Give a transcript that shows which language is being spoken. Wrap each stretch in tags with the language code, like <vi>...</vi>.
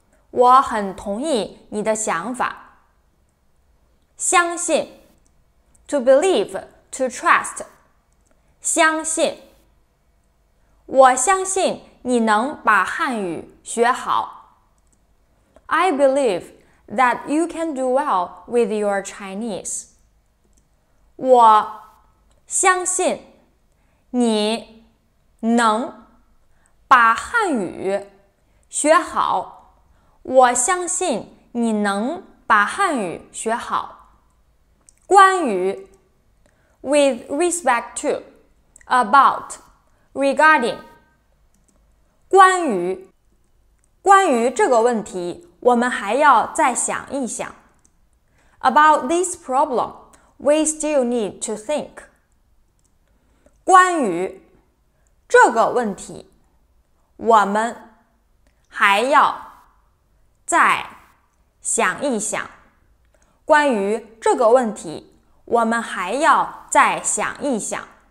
<zh>我很同意你的想法。相信</zh> <en>To believe, to trust.</en> <zh>相信我相信你能把汉语学好。</zh> <en>I believe,that you can do well with your Chinese.</en> <zh>我相信你能把汉语学好。我相信你能把汉语学好。</zh> <en>关于 with respect to, about, regarding.</en> <zh>关于这个问题我们还要再想一想。</zh> <en>About this problem, we still need to think.</en> <zh>关于这个问题，我们还要再想一想。关于这个问题，我们还要再想一想。</zh>